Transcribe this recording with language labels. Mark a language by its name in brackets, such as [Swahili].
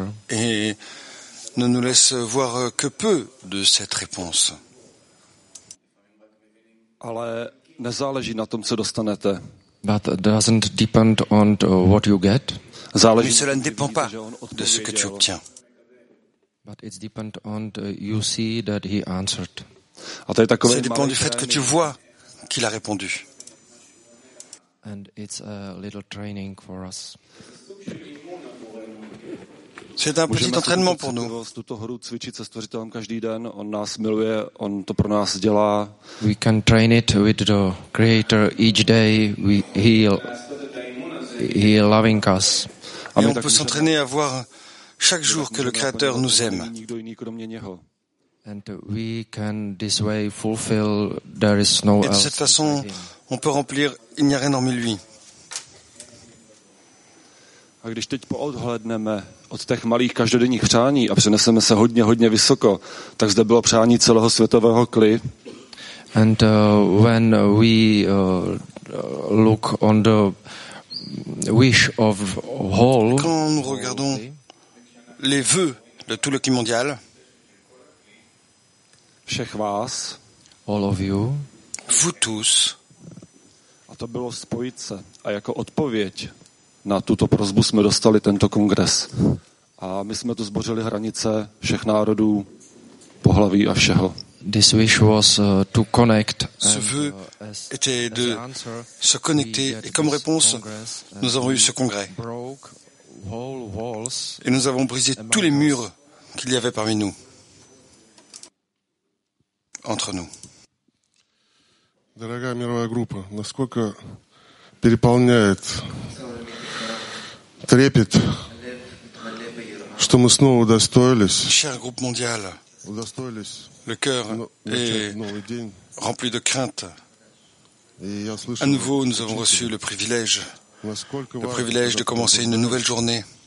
[French] Et ne nous laisse voir que peu de cette réponse. [Czech] Nezáleží na tom, co dostanete. [English] But doesn't depend on what you get. [Czech] Záleží, [French] cela ne dépend pas de ce que tu obtiens. [English] But it's depend on you see that he answered. [Czech] A to je takové, [French] ça dépend du fait que tu vois qu'il a répondu. [English] And it's a little training for us. [French] C'est un petit entraînement pour nous. [Czech] Tuto hru cvičit se stvořitelem každý den, on nás miluje, on to pro nás dělá. [English] We can train it with the Creator each day. He loving us. [French] Et on peut s'entraîner à voir chaque jour que le Créateur nous aime. [Czech] Nikdo jiný kromě něho. [English] And we can this way fulfill there is no else. [French] Et de cette façon, on peut remplir, il n'y a rien hormis lui. [Czech] A když teď poodhledneme od těch malých každodenních přání a přeneseme se hodně, hodně vysoko, tak zde bylo přání celého světového kli. [English] And when we look on the wish of all, [French] quand nous regardons les vœux de tout le kli mondial, [Czech] všech vás, [English] all of you, [French] vous tous, [Czech] a to bylo spojit se a jako odpověď na tuto prosbu jsme dostali tento kongres. A my jsme tu zbořili hranice všech národů, pohlaví a všeho. [English] This wish was to connect. [French] Ce vœu était de se connecter et comme réponse, nous avons eu ce congrès. Et nous avons brisé tous les murs qu'il y avait parmi nous. Entre nous. [Russian] Дорогая мировая группа, насколько переполняет трепет, что мы снова удостоились. [French] Cher groupe mondial, le cœur est rempli de crainte. À nouveau, nous avons reçu le privilège, de commencer une nouvelle journée.